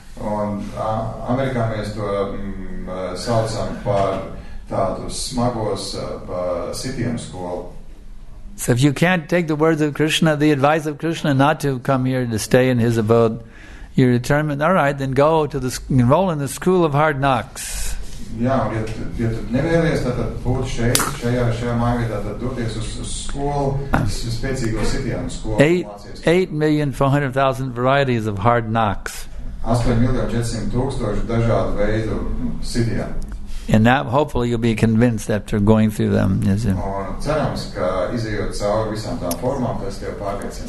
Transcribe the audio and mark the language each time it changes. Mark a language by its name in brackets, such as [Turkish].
[Latvian] Un Amerikā mēs to saucam par tādus smagos sitiem skolu. [English] So if you can't take the words of Krishna, the advice of Krishna not to come here to stay in his abode, you're determined, all right, then go to the enroll in the school of hard knocks. [Latvian] Jā, un ja tu nevēlies, tad būt šeit, šajā mājvietā, tad doties uz skolu, spēcīgo sitiem skolu. [English] 8,400,000 varieties of hard knocks. [Latvian] 8,400,000 dažādu veidu sitiem. [English] And that, hopefully, you'll be convinced after going through them, is it? [Latvian] Un cerams, ka izejot cauri visām tām formām, tas tev pārliecinās.